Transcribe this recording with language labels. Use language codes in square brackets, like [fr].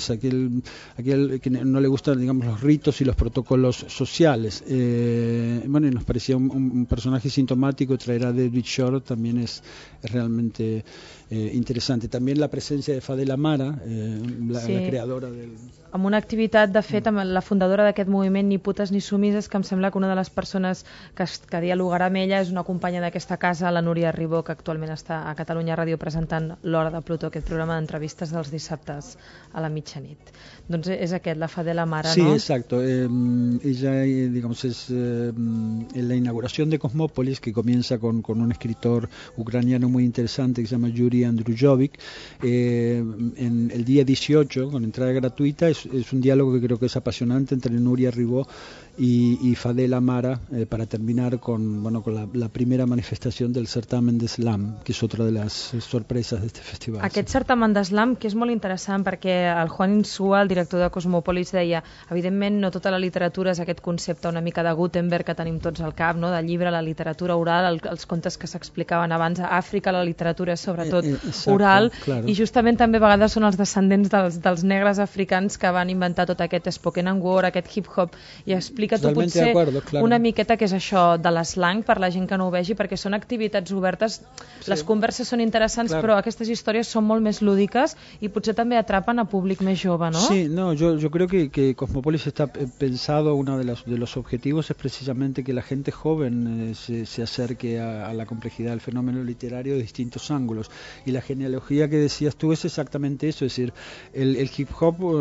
[es] Es aquel que no le gustan, digamos, los ritos y los protocolos sociales. Bueno, y nos parecía un personaje sintomático, traer a David Shore también es realmente interesante. También la presencia de Fadela Mara, la creadora del... [ca] Amb una activitat, de fet, amb la fundadora d'aquest moviment Ni putes ni sumises, que em sembla que una de les persones que dialogarà amb ella és una companya d'aquesta casa, la Núria Ribó, que actualment està a Catalunya Ràdio presentant L'Hora de Plutó, aquest programa d'entrevistes dels dissabtes a la mitjanit. Doncs és aquest, la Fadela Mara, sí, no? [es] Sí, exacto. Ella, digamos, es en la inauguración de Cosmópolis, que comienza con un escritor ucraniano muy interesante que se llama Yuri Andrujovic, en el día 18, con entrada gratuita. Es un diálogo que creo que es apasionante entre Núria Ribó y Fadela Mara para terminar con la primera manifestación del certamen de slam, que es otra de las sorpresas de este festival. [ca] Aquest certamen de slam, que és molt interessant perquè el Juan Insúa, el director de Cosmopolis, deia, evidentment no tota la literatura és aquest concepte una mica de Gutenberg que tenim tots al cap, no? De llibre, la literatura oral, els contes que s'explicaven abans a Àfrica, la literatura sobretot exacte, oral, [es] claro. [ca] I justament també a vegades són els descendents dels negres africans que van inventar tot aquest spoken and word, aquest hip-hop, i explica tu potser [es] acuerdo, claro. [ca] Una miqueta que és això de l'eslang per la gent que no ho vegi, perquè són activitats obertes, sí. Les converses són interessants, [es] claro. [ca] Però aquestes històries són molt més lúdiques i potser també atrapen a públic més jove, no? [es] Sí, no, yo creo que Cosmopolis está pensado, uno de los objetivos es precisamente que la gente joven se acerque a la complejidad del fenómeno literario de distintos ángulos, y la genealogía que decías tú es exactamente eso, es decir, el hip-hop